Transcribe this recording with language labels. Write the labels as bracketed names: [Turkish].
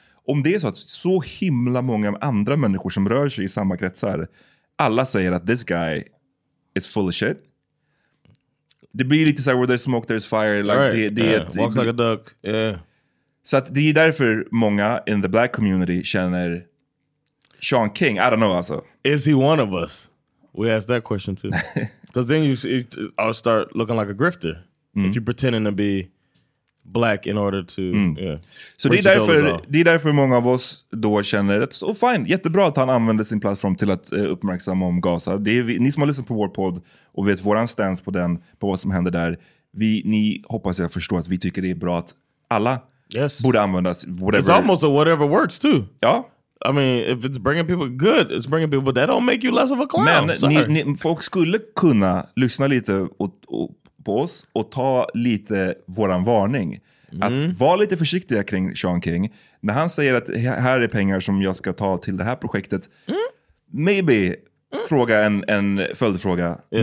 [Swedish] Om det är så himla många andra människor som rör sig i samma kretsar, alla säger att [English] this guy is full of shit. [Swedish] Det blir lite så här, [English] where there's smoke, there's fire. Like, right. Walks like a duck. Yeah. [Swedish] Så att det är därför många [English] in the black community [Swedish] känner Sean King. [English] I don't know, alltså. Is he one of us? We ask that question too. Because then I'll start looking like a grifter. Mm. If you're pretending to be black in order to [Swedish] Så det är därför många av oss då känner att så fine, jättebra att han använder sin plattform till att uppmärksamma om Gaza. Det är ni som har lyssnat på vår podd och vet våran stance på den, på vad som händer där. Ni hoppas jag förstår att vi tycker det är bra att alla borde användas, whatever. [English] It's almost a whatever works too. [Swedish] Ja. [English] I mean, if it's bringing people good, it's bringing people, but that don't make you less of a clown. [Swedish] Men ni folk skulle kunna lyssna lite och på oss och ta lite våran varning. Mm. Att vara lite försiktiga kring Sean King. När han säger att här är pengar som jag ska ta till det här projektet. Mm. Maybe fråga en följdfråga. Yes.